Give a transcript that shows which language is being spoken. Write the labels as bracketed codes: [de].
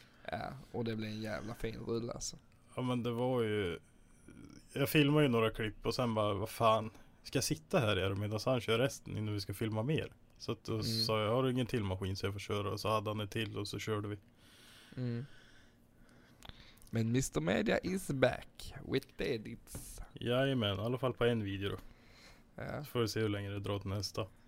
[sv] Ja, och det blev en jävla fin rulle alltså. Ja, men det var ju, jag filmade ju några klipp och sen bara, vad fan, ska jag sitta här igen medan han kör resten innan vi ska filma mer? Så att då sa jag, har du ingen till maskin så jag får köra? Och så hade han en till och så körde vi. Men Mr. [en] Media is back with the edits. [sv] Jajamän, i alla fall på en video då. Ja. Så får vi se hur länge det drar till nästa.